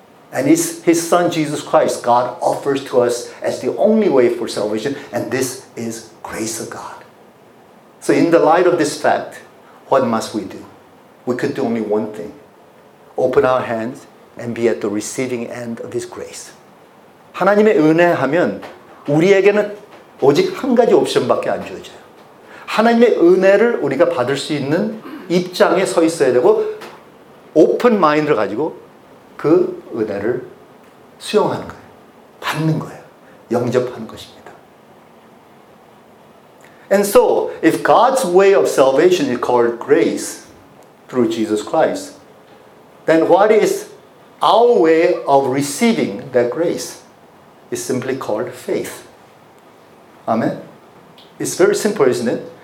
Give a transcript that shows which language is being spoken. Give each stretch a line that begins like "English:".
English: And it's his son, Jesus Christ, God offers to us as the only way for salvation. And this is grace of God. So in the light of this fact, what must we do? We could do only one thing. Open our hands and be at the receiving end of his grace.
Korean: 하나님의 은혜 하면 우리에게는 오직 한 가지 옵션밖에 안 주어져요. 하나님의 은혜를 우리가 받을 수 있는 입장에 서 있어야 되고 오픈 마인드를 가지고 그 은혜를 수용하는 거예요. 받는 거예요. 영접하는 것입니다.
English: And so, if God's way of salvation is called grace through Jesus Christ, then what is our way of receiving that grace? It's simply called faith. Amen? It's very simple, isn't it?